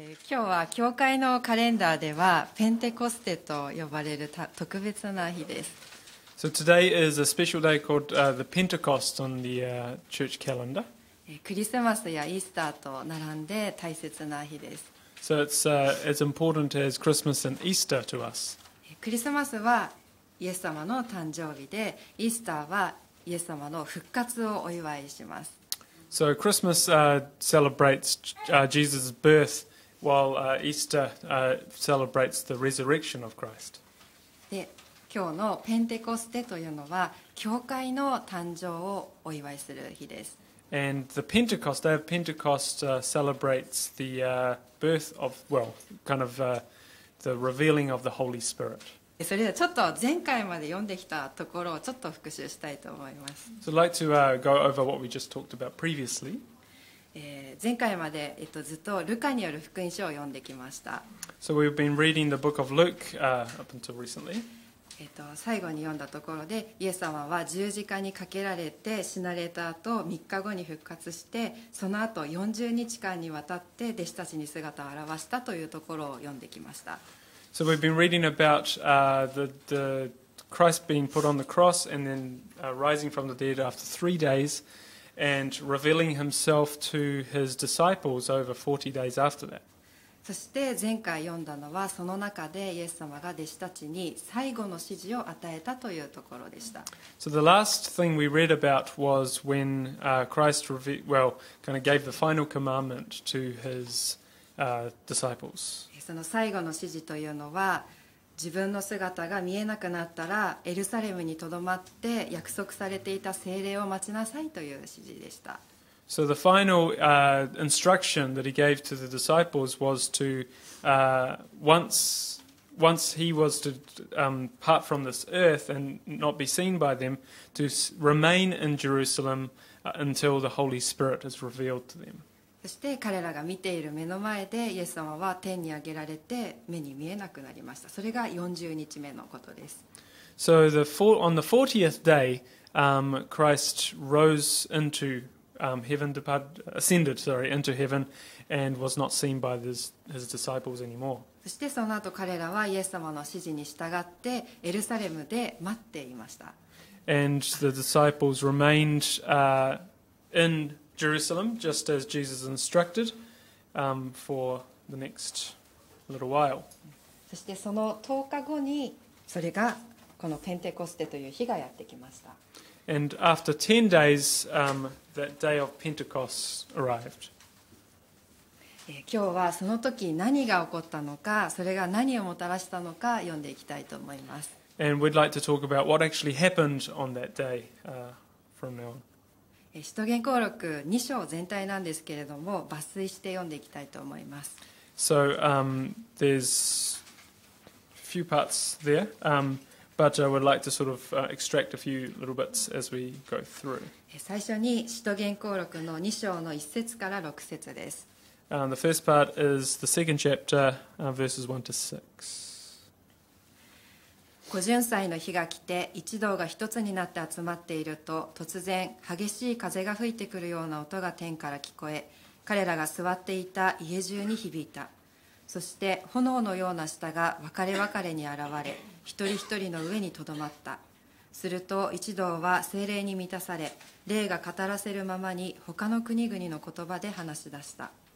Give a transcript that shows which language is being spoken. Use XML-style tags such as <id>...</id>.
<ja>今日は教会のカレンダーではペンテコステと呼ばれる特別な日です。</ja> <en>So today is a special day called the Pentecost on the church calendar.</en> <ja>クリスマスやイースターと並んで大切な日です。</ja> <en>So it's as important as Christmas and Easter to us.</en> <ja>クリスマスはイエス様の誕生日で、イースターはイエス様の復活をお祝いします。</ja> <en>So Christmas celebrates Jesus' birth, while Easter celebrates the resurrection of Christ.</en> <ja>で、今日のペンテコステというのは教会の誕生をお祝いする日です。</ja> <en>And the Pentecost, day of Pentecost celebrates the birth of, well, kind of the revealing of the Holy Spirit.</en> <ja>それではちょっと前回まで読んできたところをちょっと復習したいと思います。</ja> <en>So I'd like to go over what we just talked about previously.</en> <ja>前回まで、ずっとルカによる福音書を読んできました。</ja> <en>So we've been reading the book of Luke up until recently.</en> <ja>最後に読んだところで、イエス様は十字架にかけられて死なれた後、3日後に復活して、その後40日間にわたって弟子たちに姿を現したというところを読んできました。</ja> <en>So we've been reading about the Christ being put on the cross and then rising from the dead after 3 days and revealing himself to his disciples over 40 days after that.</en> <ja>そして前回読んだのはその中でイエス様が弟子たちに最後の指示を与えたというところでした。</ja> <en>So the last thing we read about was when Christ gave the final commandment to his disciples.</en> <ja>その最後の指示というのは自分の姿が見えなくなったらエルサレムにとどまって約束されていた聖霊を待ちなさいという指示でした。</ja> <en>So the final instruction that he gave to the disciples was to once he was to part from this earth and not be seen by them to remain in Jerusalem until the Holy Spirit is revealed to them.</en> <ja>そして彼らが見ている目の前でイエス様は天に上げられて目に見えなくなりました。それが40日目のことです。</ja> <en>So on the 40th day, Christ rose into heaven, ascended into heaven, and was not seen by his disciples anymore.</en> <ja>そしてその後彼らはイエス様の指示に従ってエルサレムで待っていました。</ja> <en>And the disciples remained inJerusalem, just as Jesus instructed, for the next little while.</en> <ja>そしてその10日後にそれがこのペンテコステという日がやってきました。</ja> <en>And after 10 days, that day of Pentecost arrived.</en> <ja>今日はその時何が起こったのか、それが何をもたらしたのか読んでいきたいと思います。</ja> <en>And we'd like to talk about what actually happened on that day, from now on.</en> <ja>使徒言行録2章全体なんですけれども抜粋して読んでいきたいと思います。</ja> <en>So, there's a few parts there, but I would like to sort of extract a few little bits as we go through.</en> <ja>最初に使徒言行録の2章の1節から6節です。</ja> <en>The first part is the second chapter, verses 1 to 6.</en> <ja>五旬祭の日が来て一同が一つになって集まっていると突然激しい風が吹いてくるような音が天から聞こえ彼らが座っていた家中に響いたそして炎のような舌が別れ別れに現れ一人一人の上にとどまったすると一同は聖霊に満たされ霊が語らせるままに他の国々の言葉で話し出した</ja>